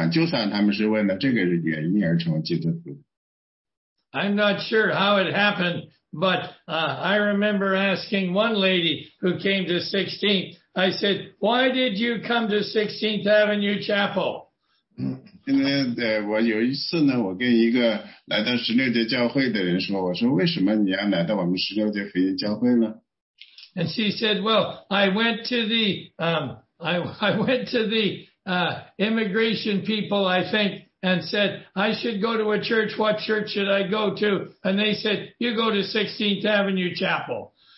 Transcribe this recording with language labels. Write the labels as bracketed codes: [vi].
[zh] 现在我要谢谢那些所有的人说你应该成为一个基督徒那样的人，就不管就算他们是为了这个原因而成为基督徒。 [en] I'm not sure how it happened, but I remember asking one lady who came to 16th. I said, "Why did you come to 16th Avenue Chapel?" [zh] 现在我有一次呢，我跟一个来到十六届教会的人说，我说为什么你要来到我们十六届福音教会呢？ [en] And she said, "Well, I went to the immigration people, I think, and said I should go to a church. What church should I go to?" And they said, "You go to 16th Avenue Chapel."